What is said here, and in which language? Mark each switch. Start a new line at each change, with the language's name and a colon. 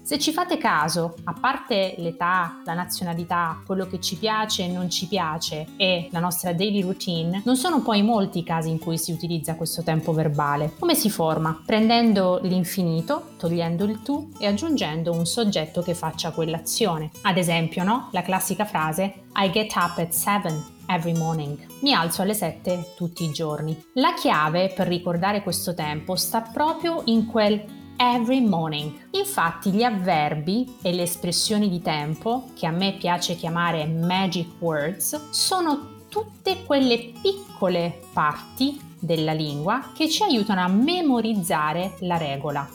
Italian: Se ci fate caso, a parte l'età, la nazionalità, quello che ci piace e non ci piace e la nostra daily routine, non sono poi molti i casi in cui si utilizza questo tempo verbale. Come si forma? Prendendo l'infinito, togliendo il tu e aggiungendo un soggetto che faccia quell'azione. Ad esempio, no? La classica frase
English: I get up at 7 every morning.
Italian: Mi alzo alle 7 tutti i giorni. La chiave per ricordare questo tempo sta proprio in quel
English: every morning.
Italian: Infatti gli avverbi e le espressioni di tempo, che a me piace chiamare magic words, sono tutte quelle piccole parti della lingua che ci aiutano a memorizzare la regola.